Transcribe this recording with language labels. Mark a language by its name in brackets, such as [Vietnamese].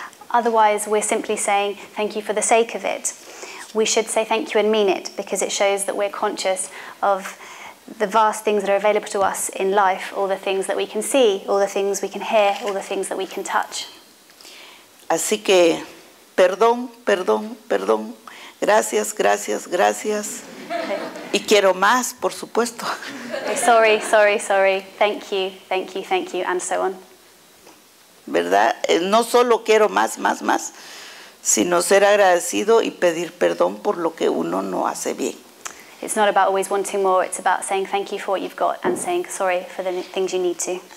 [English] Otherwise, we're simply saying thank you for the sake of it. We should say thank you and mean it, because it shows that we're conscious of the vast things that are available to us in life, all the things that we can see, all the things we can hear, all the things that we can touch. [Spanish] Así que, perdón, perdón, perdón. Gracias, gracias, gracias. Y quiero más, por supuesto. [English] Sorry, sorry, sorry. Thank you, thank you, thank you, and so on. [Spanish] ¿Verdad? No solo quiero más, más, más, sino ser agradecido y pedir perdón por lo que uno no hace bien. [English] It's not about always wanting more. It's about saying thank you for what you've got and saying sorry for the things you need to.